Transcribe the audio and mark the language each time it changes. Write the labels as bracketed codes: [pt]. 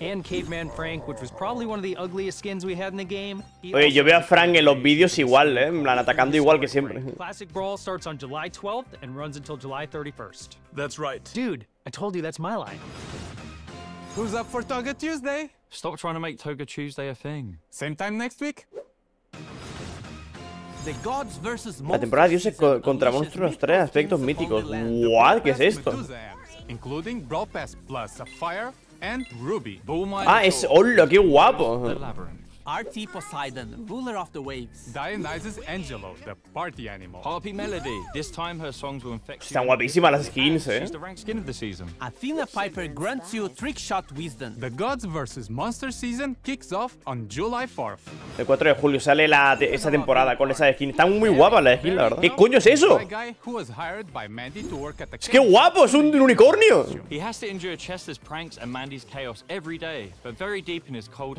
[en] And Caveman Frank, which was probably one of the ugliest skins we had in the game. [es] Oye, yo veo a Frank en los vídeos igual, en plan atacando igual que siempre. [en] Classic Brawl starts on July 12th and runs until July 31st. That's right. Dude, I told you that's my line. Who's up for Toga Tuesday? Stop trying to make Toga Tuesday a thing. Same time next week. The gods versus monsters. [es] La temporada de dioses contra monstruos, tres aspectos míticos. [en] What? [es] ¿Qué es esto? [en] Including Brawl Pass plus Sapphire and Ruby. [es] Ah, es Olo, qué guapo. RT Poseidon, [en] ruler of the waves. Dionysus Angelo, the party animal. Harpy Melody, this time her songs will infect. [es] Están guapísimas las skins, eh. [en] She's the ranked skin of the season. Athena Piper grants you trick shot wisdom. The gods versus monster season kicks off on July 4th. [es] El 4 de julio sale esa temporada con esa skin. Están muy guapas las skins, la verdad. ¿Qué coño es eso? Es que guapo, es un unicornio. [en] He has to endure Chester's pranks and Mandy's chaos every day, but very deep in his cold